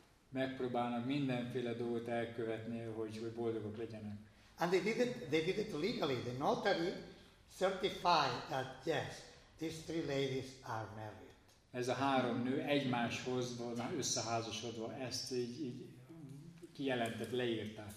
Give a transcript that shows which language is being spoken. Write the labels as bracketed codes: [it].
[hu] Megpróbálnak mindenféle dolgot elkövetni, hogy boldogok legyenek. [en] And they did it legally. The notary certified that yes, these three ladies are married. [hu] Ez a három nő egymáshoz van összeházasodva, ezt így kijelentett, leírták.